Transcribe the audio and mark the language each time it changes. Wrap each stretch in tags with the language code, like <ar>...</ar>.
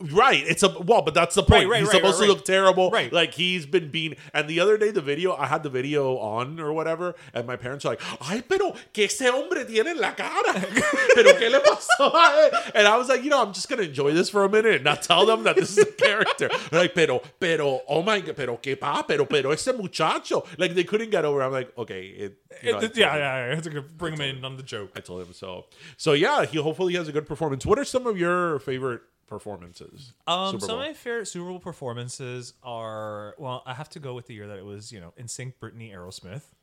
<en>Right. But that's the point. He's supposed to look terrible. Right. Like he's been being... And the other day, I had the video on or whatever, and my parents are like,</en> <es>ay, pero que ese hombre tiene la cara. Pero que le pasó a él?</es> <en>And I was like, I'm just going to enjoy this for a minute and not tell them that this is a character. They're like, pero, oh my God,</en> <es>pero que pa, pero ese muchacho.</es> <en>Like they couldn't get over it. I'm like, okay, I have to bring him in on the joke. I told him so. So yeah, he hopefully has a good performance. What are some of your favorite performances? Of my favorite Super Bowl performances are, well, I have to go with the year that it was, NSYNC, Britney, Aerosmith.</en>